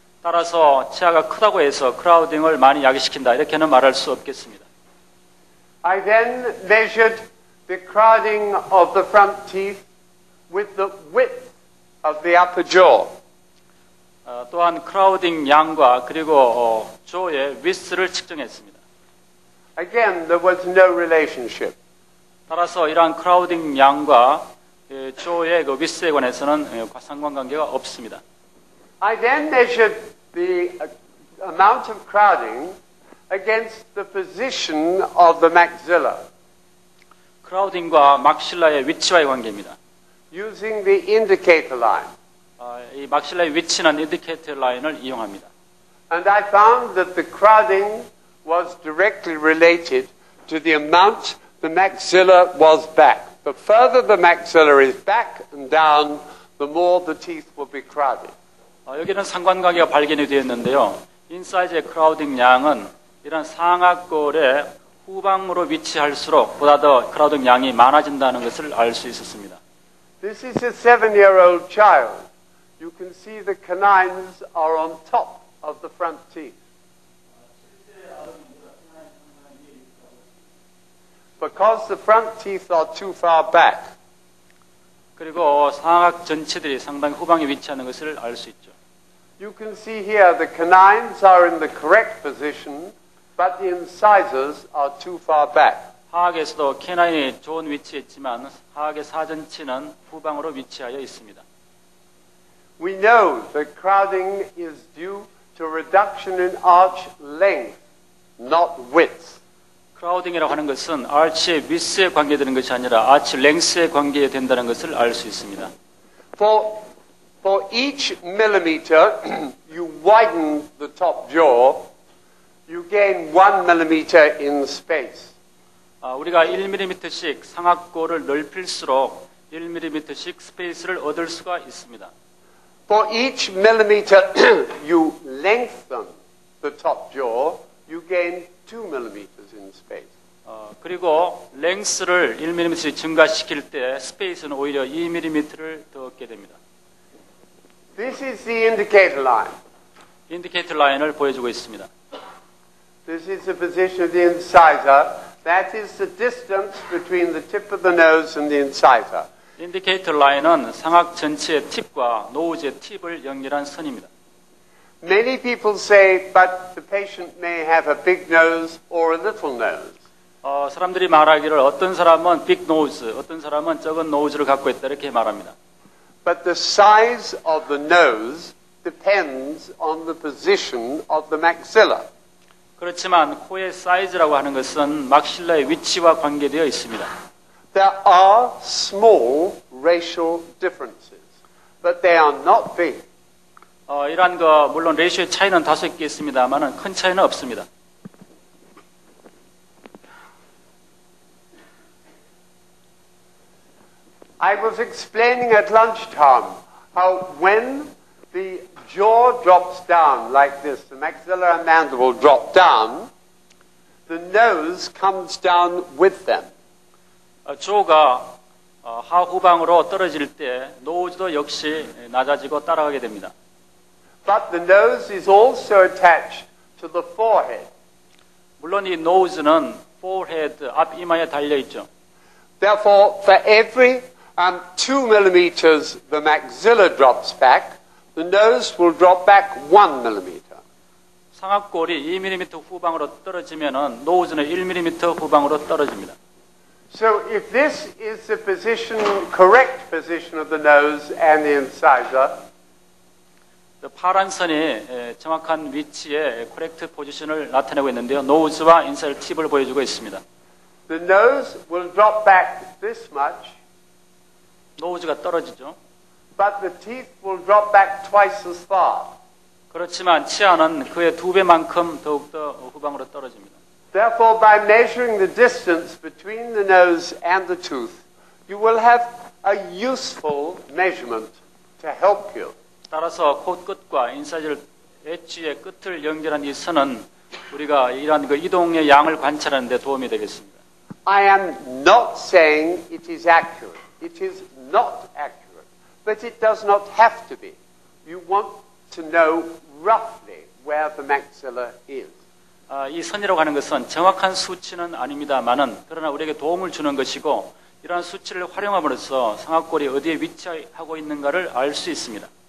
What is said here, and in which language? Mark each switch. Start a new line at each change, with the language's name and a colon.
Korean: 따라서 치아가 크다고 해서 크라우딩을 많이 야기시킨다 이렇게는 말할 수 없겠습니다.
English: I then measured the crowding of the front teeth with the width of the upper jaw.
Korean: 또한 크라우딩 양과 그리고 조의 위스를 측정했습니다.
English: Again, there was no relationship.
Korean: 따라서 이러한 크라우딩 양과 조의 그 위스에 관해서는 상관관계가 없습니다.
English: I then measured the amount of crowding against the position of the maxilla.
Korean: 크라우딩과 막실라의 위치와의 관계입니다.
English: Using the indicator line.
Korean: 이 막실라의 위치는 인디케이터 라인을 이용합니다.
English: And I found that the crowding was directly related to the amount the maxilla was back. The further the maxilla is back and down, the more the teeth will be crowded.
Korean: 여기는 상관관계가 발견이 되었는데요. 인사이즈의 크라우딩 양은 이런 상악골의 후방으로 위치할수록 보다 더 크라우딩 양이 많아진다는 것을 알 수 있었습니다.
English: This is a seven-year-old child. You can see the canines are on top of the front teeth. Because the front teeth are too far back.
Korean: 그리고 상악 전체들이 상당히 후방에 위치하는 것을 알 수 있죠.
English: You can see here the canines are in the correct position, but the incisors are too far back.
Korean: 하악에서도 캐나인이 좋은 위치에 있지만 하악의 사전치는 후방으로 위치하여 있습니다.
English: We know that crowding is due to reduction in arch length, not width.
Korean: 크라우딩이라고 하는 것은 아치의 위스에 관계되는 것이 아니라 아치 랭스에 관계된다는 것을 알 수 있습니다.
English: For each millimeter you widen the top jaw, you gain one millimeter in space.
Korean: 우리가 1mm씩 상악골을 넓힐수록 1mm씩 스페이스를 얻을 수가 있습니다.
English: For each millimeter you lengthen the top jaw, you gain 2 millimeters in space.
Korean: 그리고 랭스를 1mm씩 증가시킬 때 스페이스는 오히려 2mm를 더 얻게 됩니다.
English: This is the indicator line.
Korean: 인디케이터 라인을 보여주고 있습니다.
English: This is the position of the incisor. That is the distance between the tip of the nose and the incisor.
Korean: 인디케이터 라인은 상악 전체의 팁과 노즈의 팁을 연결한 선입니다.
English: Many people say, but the patient may have a big nose or a little nose.
Korean: 사람들이 말하기를 어떤 사람은
English: big nose,
Korean: 어떤 사람은 적은 nose를 갖고 있다 이렇게 말합니다.
English: But the size of the nose depends on the position of the maxilla.
Korean: 그렇지만 코의 사이즈라고 하는 것은 막실라의 위치와 관계되어 있습니다.
English: There are small racial differences, but they are not big.
Korean: 이러한 거 물론 레이쇼의 차이는 다소 있겠습니다만은 큰 차이는 없습니다.
English: I was explaining at lunchtime how when the jaw drops down like this, the maxilla and mandible drop down, the nose comes down with them.
Korean: 조가 하후방으로 떨어질 때 노즈도 역시 낮아지고 따라가게 됩니다.
English: But the nose is also attached to the forehead.
Korean: 물론 이 nose는 forehead 앞 이마에 달려 있죠.
English: Therefore, for every 2 millimeters the maxilla drops back, the nose will drop back 1 millimeter.
Korean: 상악골이 2mm 후방으로 떨어지면은 nose는 1mm 후방으로 떨어집니다.
English: So if this is the position, correct position of the nose and the incisor,
Korean: 파란 선이 정확한 위치에
English: correct position
Korean: 을 나타내고 있는데요. nose와 incisor 팁을 보여주고 있습니다.
English: The nose will drop back this much.
Korean: 노즈가 떨어지죠.
English: But the teeth will drop back twice as far.
Korean: 그렇지만 치아는 그의 두 배만큼 더욱더 후방으로 떨어집니다.
English: Therefore, by measuring the distance between the nose and the tooth, you will have a useful measurement to help you.
Korean: 따라서 코 끝과 인사이즈 엣지의 끝을 연결한 이 선은 우리가 이러한 그 이동의 양을 관찰하는 데 도움이 되겠습니다.
English: I am not saying it is accurate. It is not accurate. But it does not have to be. you want to know roughly where the maxilla is.
Korean: 이 선이라고 하는 것은 정확한 수치는 아닙니다만은 그러나 우리에게 도움을 주는 것이고 이러한 수치를 활용함으로써 상악골이 어디에 위치하고 있는가를 알 수 있습니다.